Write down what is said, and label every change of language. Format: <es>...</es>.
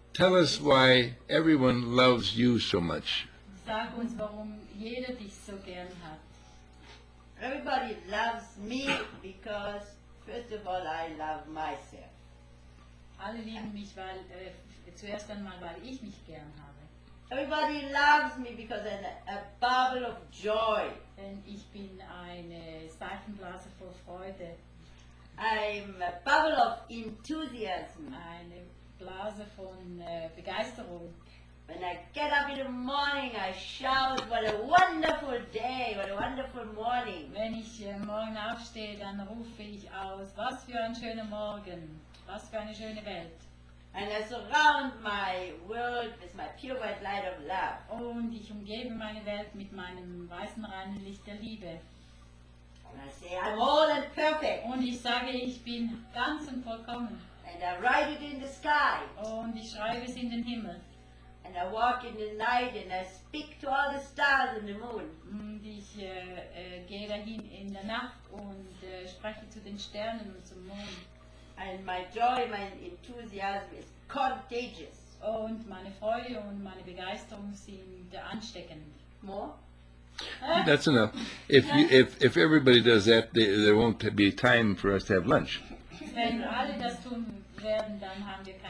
<en>Tell us why everyone loves you so much.</en> <de>Sag uns, warum jeder dich so gern hat.</de> <en>Everybody loves me because, first of all, I love myself.</en> <de>Alle lieben mich, weil zuerst einmal, weil ich mich gern habe.</de> <en>Everybody loves me because I'm a bubble of joy.</en> <de>Denn ich bin eine Seifenblase voll Freude.</de> <en>I'm a bubble of enthusiasm.</en> <de>Eine Blase von Begeisterung.</de> <en>When I get up in the morning, I shout, what a wonderful day, what a wonderful morning.</en> <de>Wenn ich morgen aufstehe, dann rufe ich aus, was für ein schöner Morgen, was für eine schöne Welt.</de> <en>And I surround my world with my pure white light of love.</en> <de>Und ich umgebe meine Welt mit meinem weißen reinen Licht der Liebe.</de> <en>And I say, I'm all and perfect.</en> <de>Und ich sage, ich bin ganz und vollkommen.</de> <en>And I write it in the sky.</en> <de>Und ich schreibe es in den Himmel.</de> <en>And I walk in the night and I speak to all the stars and the moon.</en> <de>Und ich gehe dahin in der Nacht und spreche zu den Sternen und zum Mond.</de> <en>And my joy, my enthusiasm is contagious.</en> <de>Und meine Freude und meine Begeisterung sind ansteckend.</de> <en>More? That's enough. If everybody does that, there won't be time for us to have lunch.</en> <de>Wenn alle das tun werden, dann haben wir keine</de>